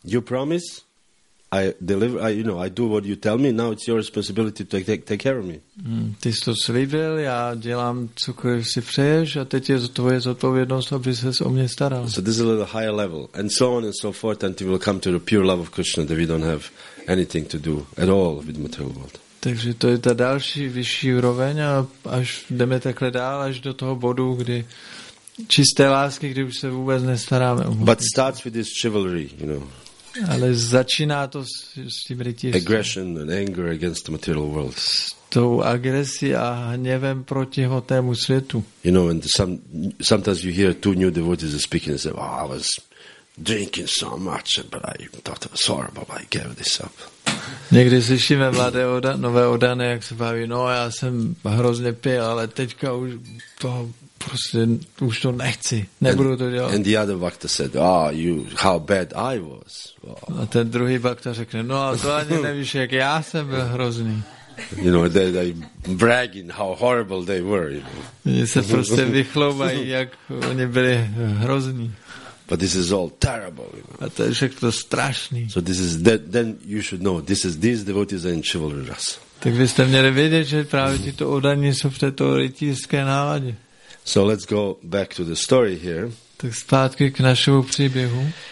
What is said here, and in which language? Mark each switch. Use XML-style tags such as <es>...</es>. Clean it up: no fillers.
<en>You promise? I do what you tell me, now it's your responsibility to take care of me.</en> <cs>Ty jsi to slíbil, já dělám cokoliv si přeješ a teď je tvoje zodpovědnost, aby ses o mě staral.</cs> <en>So this is a little higher level and so on and so forth until we'll come to the pure love of Krishna that we don't have anything to do at all with the material world.</en> <cs>Takže to je ta další vyšší úroveň a až jdeme takhle dál, až do toho bodu, kdy čisté lásky, kdy už se vůbec nestaráme.</cs> <en>But starts with this chivalry, you know.</en> <cs>Ale začíná to s tím rytířstvím.</cs> <en>Aggression and anger against the material world.</en> <cs>S tou agresí a hněvem proti hmotnému světu.</cs> <en>You know, and sometimes you hear two new devotees speaking and say, oh, I was drinking so much, but I thought I was horrible, but I gave this up.</en> <cs>Někdy slyšíme mladé nové odané, jak se baví, no já jsem hrozně pil, ale teďka už toho prostě už to nechci, nebudu to dělat.</cs> <en>And the other bhakta said, oh, you, how bad I was. Wow.</en> <cs>A ten druhý bhakta řekne, no a to ani nevíš, jak já jsem byl hrozný.</cs> <en>You know, they bragging how horrible they were. You know.</en> <cs>Oni se prostě vychloubají, jak oni byli hrozní.</cs> <en>But this is all terrible. You know.</en> <cs>A to je všechno strašný.</cs> <en>So this is, then you should know, this is, these devotees are in chivalry ras.</en> <cs>Tak byste měli vědět, že právě ti to odaní jsou v této rytířské náladě.</cs> <en>So let's go back to the story here.</en> <cs>Tak zpátky k našemu příběhu.</cs>